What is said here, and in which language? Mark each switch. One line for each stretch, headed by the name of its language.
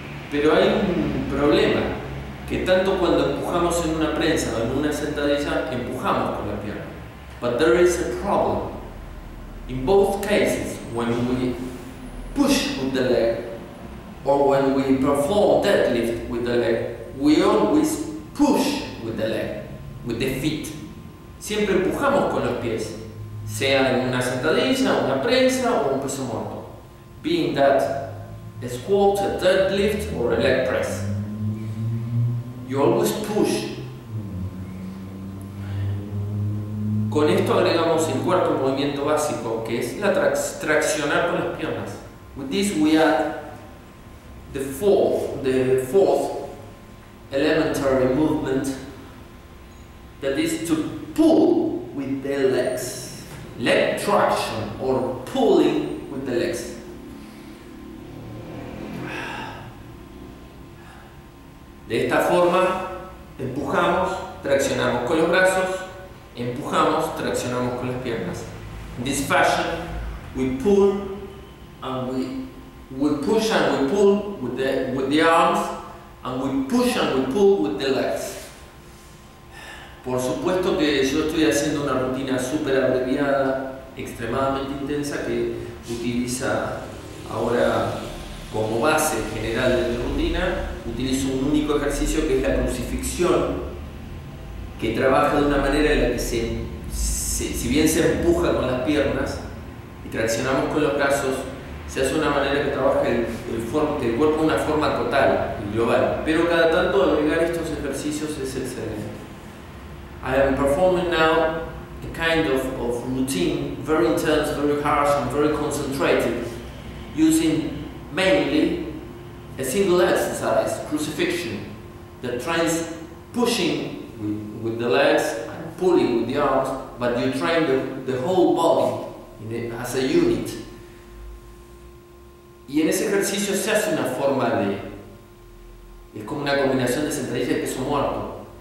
Spanish: Pero hay un problema, que tanto cuando empujamos en una prensa o en una sentadilla, empujamos con la pierna.
English: But there is a problem. In both cases, when we push with the leg, or when we perform deadlift with the leg, we always push with the leg, with the feet.
Spanish: Siempre empujamos con los pies, sea en una sentadilla, una prensa o un peso muerto.
English: Being that a squat, a deadlift or a leg press, you always push.
Spanish: Con esto agregamos el cuarto movimiento básico, que es la traccionar con las piernas.
English: With this we add the fourth elementary movement, that is to pull with the legs, leg traction or pulling with the legs.
Spanish: De esta forma empujamos, traccionamos con los brazos, empujamos, traccionamos con las piernas.
English: In this fashion we pull and we push and we pull with the arms, and we push and we pull with the legs.
Spanish: Por supuesto que yo estoy haciendo una rutina súper abreviada, extremadamente intensa, que utiliza ahora como base general de mi rutina, utilizo un único ejercicio que es la crucifixión, que trabaja de una manera en la que si bien se empuja con las piernas y traccionamos con los brazos, se hace una manera que trabaja el cuerpo de una forma total y global. Pero cada tanto agregar estos ejercicios es excelente.
English: I am performing now a kind of routine, very intense, very harsh and very concentrated, using mainly a single exercise, crucifixion, that trains pushing with the legs and pulling with the arms, but you train the whole body as a unit.
Spanish: Y en ese ejercicio se hace una forma de, es como una combinación de sentadilla y peso muerto.